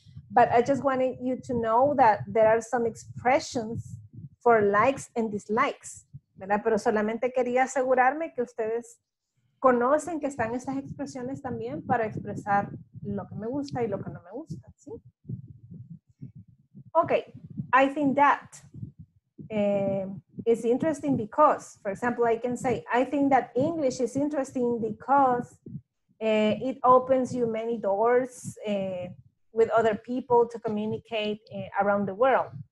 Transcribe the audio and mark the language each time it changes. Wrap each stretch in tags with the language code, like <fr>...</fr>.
<en>But I just wanted you to know that there are some expressions for likes and dislikes.</en> <es>¿verdad? Pero solamente quería asegurarme que ustedes conocen que están estas expresiones también para expresar lo que me gusta y lo que no me gusta, ¿sí?</es> <en>Okay, I think that is interesting because, for example, I can say, I think that English is interesting because it opens you many doors with other people to communicate around the world.</en>